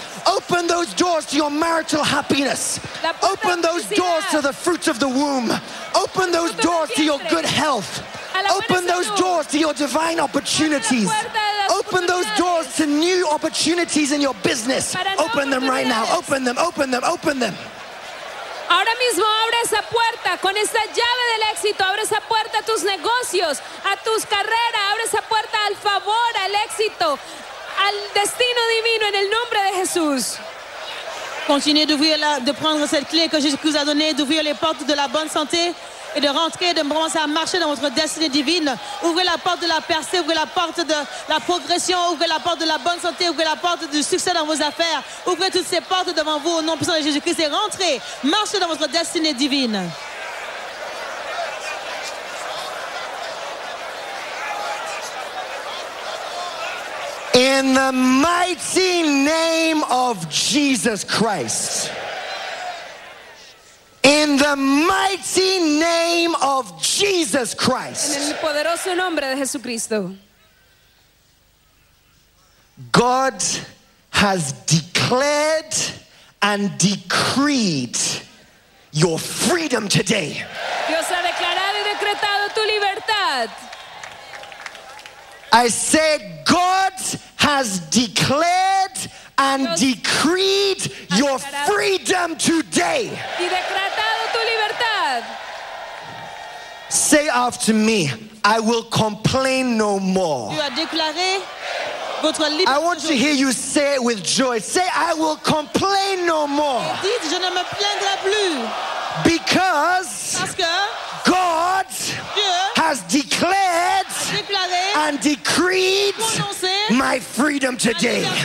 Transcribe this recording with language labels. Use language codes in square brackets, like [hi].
[en] Open those doors to your marital happiness. Open those doors to the fruits of the womb. Open those doors to your good health. Open those doors to your divine opportunities. Open those doors to new opportunities in your business. Open them right now. Open them, open them, open them. [es] Ahora mismo abre esa puerta con esa llave del éxito. Abre esa puerta a tus negocios, a tus carreras. Abre esa puerta al favor, al éxito, al destino divino en el nombre de Jesús. [fr] Continuez d'ouvrir la, de prendre cette clé que Jésus vous a donnée, d'ouvrir les portes de la bonne santé et de rentrer, de commencer à marcher dans votre destinée divine. Ouvrez la porte de la percée, ouvrez la porte de la progression, ouvrez la porte de la bonne santé, ouvrez la porte du succès dans vos affaires. Ouvrez toutes ces portes devant vous au nom puissant de Jésus-Christ et rentrez, marchez dans votre destinée divine. [en] In the mighty name of Jesus Christ. In the mighty name of Jesus Christ. [es] En el poderoso nombre de Jesucristo. [en] God has declared and decreed your freedom today. [es] Dios ha declarado y decretado tu libertad. [en] I said God has declared and decreed your freedom today. [es] Y decretado tu libertad. [en] Say after me, I will complain no more. [fr] Tu as déclaré votre liberté. [en] I want to hear you say it with joy. Say, I will complain no more. [fr] Et dites, je ne me plaindrai plus. [en] Because [fr] parce que [en] God [fr] Dieu [en] has declared and decreed my freedom today.